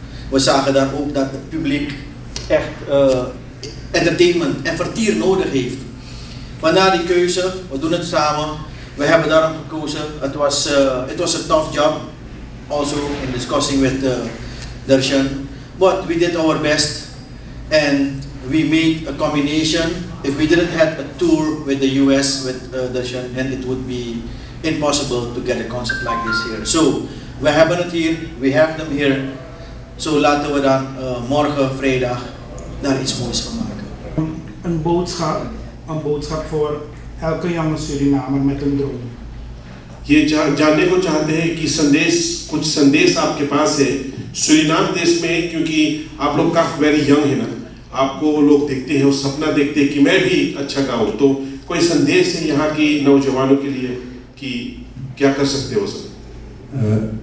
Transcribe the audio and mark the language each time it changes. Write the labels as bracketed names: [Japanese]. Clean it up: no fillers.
[Dutch] We zagen daar ook dat het publiek echt entertainment en vertier nodig heeft. Vandaar die keuze, we doen het samen. We hebben daarom gekozen. Het was een [English] tough job, also in discussing with Darshan. But we did our best and we made a combination. If we didn't have a tour with the US with Darshan, then it would be impossible to get a concert like this here. [Dutch] So, we hebben het hier, [English] we have them here. [Dutch] So laten we dan morgen, vrijdag, daar iets moois van maken. Een boodschap voor elke jonge Surinamer met een droom. [Hindi] Je जानने को चाहते हैं कि संदेश कुछ संदेश आपके पास है सुरीनाम देश में क्योंकि आप लोग काफी [English] very young [Hindi] है ना आपको लोग देखते हैं वो सपना देखते हैं कि मैं भी अच्छा गाऊं तो कोई संदेश है यहां की नौजवानों के लिए कि क्या कर सकते हो सर